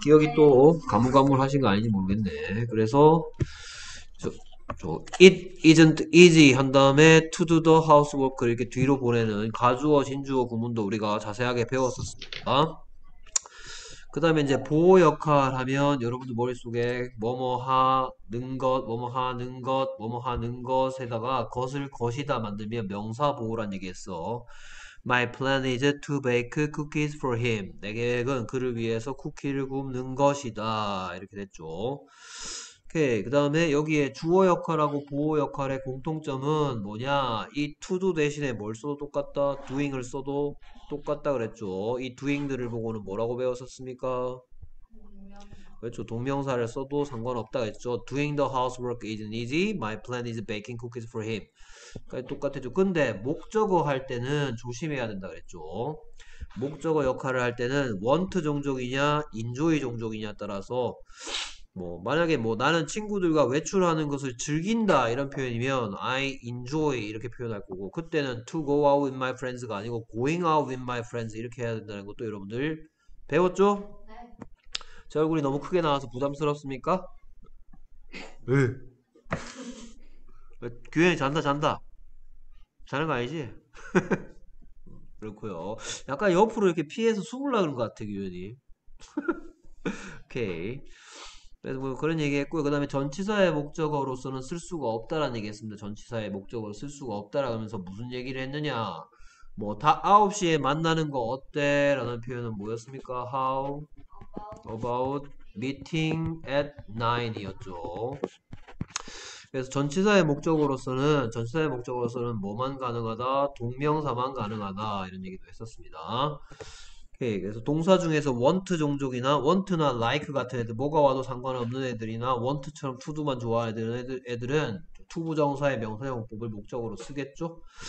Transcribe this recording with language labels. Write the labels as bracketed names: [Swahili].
[Korean] 기억이 또 가물가물하신 거 아닌지 모르겠네. 그래서 [English] it isn't easy [Korean] 한 다음에 [English] to do the housework [Korean] 이렇게 뒤로 보내는 가주어, 진주어 구문도 우리가 자세하게 배웠었습니다. 그 다음에 이제 보호 역할 하면 여러분들 머릿속에 뭐뭐 하는 것, 뭐뭐 하는 것, 뭐뭐 하는 것에다가 것을 것이다 만들면 명사 보호란 얘기했어. [English] My plan is to bake cookies for him. [Korean] 내 계획은 그를 위해서 쿠키를 굽는 것이다. 이렇게 됐죠. 오케이. 그 다음에 여기에 주어 역할하고 보호 역할의 공통점은 뭐냐? 이 to do 대신에 뭘 써도 똑같다. doing을 써도 똑같다 그랬죠. 이 doing들을 보고는 뭐라고 배웠었습니까? 그렇죠. 동명사를 써도 상관없다 그랬죠. [English] doing the housework isn't easy. my plan is baking cookies for him. [Korean] 까지 똑같았죠. 근데 목적어 할 때는 조심해야 된다 그랬죠. 목적어 역할을 할 때는 want 종족이냐, enjoy 종족이냐에 따라서 뭐 만약에 뭐 나는 친구들과 외출하는 것을 즐긴다 이런 표현이면 [English] I enjoy [Korean] 이렇게 표현할 거고 그때는 [English] to go out with my friends [Korean] 가 아니고 [English] going out with my friends [Korean] 이렇게 해야 된다는 것도 여러분들 배웠죠? 제 얼굴이 너무 크게 나와서 부담스럽습니까? 네. 규현이 잔다 잔다 자는 거 아니지? 그렇고요 약간 옆으로 이렇게 피해서 숨을라 그런 것 같아 규현이 오케이 그래서 뭐 그런 얘기 했고요. 그 다음에 전치사의 목적어로서는 쓸 수가 없다라는 얘기 했습니다. 전치사의 목적어로 쓸 수가 없다라고 하면서 무슨 얘기를 했느냐. 뭐, 다 9시에 만나는 거 어때? 라는 표현은 뭐였습니까? [English] How about meeting at 9이었죠. [Korean] 그래서 전치사의 목적어로서는, 전치사의 목적어로서는 뭐만 가능하다? 동명사만 가능하다. 이런 얘기도 했었습니다. 예, 그래서 동사 중에서 want 종족이나 want나 like 같은 애들, 뭐가 와도 상관없는 애들이나 want처럼 to도만 좋아하는 애들은 to 부정사의 명사형법을 목적으로 쓰겠죠.